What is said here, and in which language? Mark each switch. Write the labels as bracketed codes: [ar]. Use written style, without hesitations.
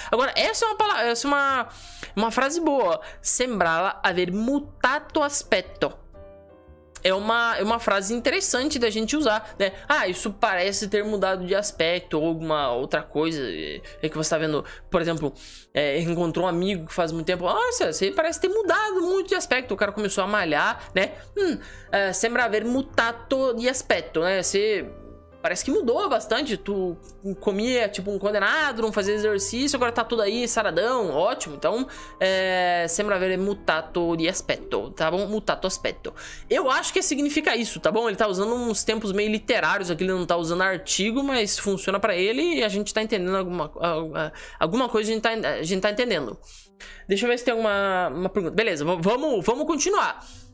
[pt] Agora, essa é uma palavra, essa é uma frase boa. [it] Sembrava haver mutato aspetto. [pt] É uma frase interessante da gente usar, né? Ah, isso parece ter mudado de aspecto ou alguma outra coisa. É que você tá vendo, por exemplo, encontrou um amigo que faz muito tempo. Nossa, você parece ter mudado muito de aspecto. O cara começou a malhar, né? [it] Sembra haver mutato de aspetto, né? [pt] Você parece que mudou bastante. Tu comia tipo um condenado, não fazia exercício, agora tá tudo aí, saradão, ótimo. [it] Então, sembra haver mutato di aspetto, [pt] tá bom? [it] Mutato aspetto. [pt] Eu acho que significa isso, tá bom? Ele tá usando uns tempos meio literários aqui, ele não tá usando artigo, mas funciona pra ele e a gente tá entendendo alguma coisa, a gente tá entendendo. Deixa eu ver se tem uma pergunta. Beleza, vamos continuar.